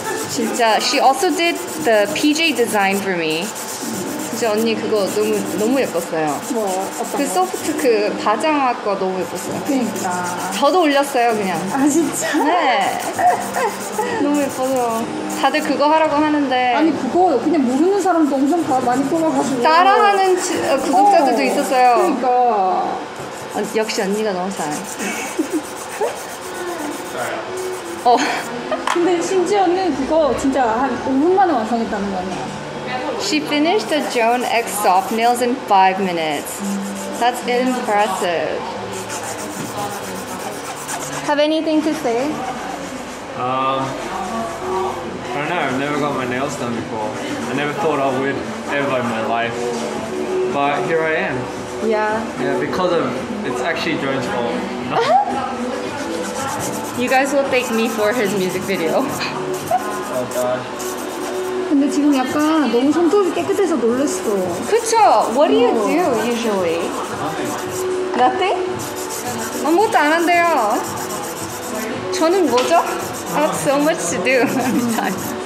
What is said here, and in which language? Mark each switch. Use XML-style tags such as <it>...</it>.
<ko>진짜,</ko> <en>she also did the PJ design for me.</en> <ko>진짜 언니 그거 너무 너무 예뻤어요. 뭐 어떤 그 소프트 그 바장화 거 너무 예뻤어요. 그러니까. 저도 올렸어요 그냥. 아 진짜? 네. 너무 예뻐서. 다들 그거 하라고 하는데. 아니 그거 그냥 모르는 사람도 엄청 다 많이 뽑아가지고. 따라하는 구독자들도 있었어요. 그러니까. 역시 언니가 너무 잘해. 어. 근데 심지어 언니는 그거 진짜 한 5분 만에 완성했다는 거 아니야?</ko> <en>She finished the Joan X soft nails in 5 minutes. That's impressive. Have anything to say? I don't know. I've never got my nails done before. I never thought I would ever in my life. But here I am. Yeah. Yeah, because of it's actually Joan's fault. You guys will thank me for his music video. Oh god.</en> <ko>근데 지금 약간 너무 손톱이 깨끗해서 놀랐어. 그쵸?</ko> <en>What do you do usually? Nothing.</en> <ko>아무것도 안 한대요. 저는 뭐죠?</ko> <en>I have so much to do every time.</en>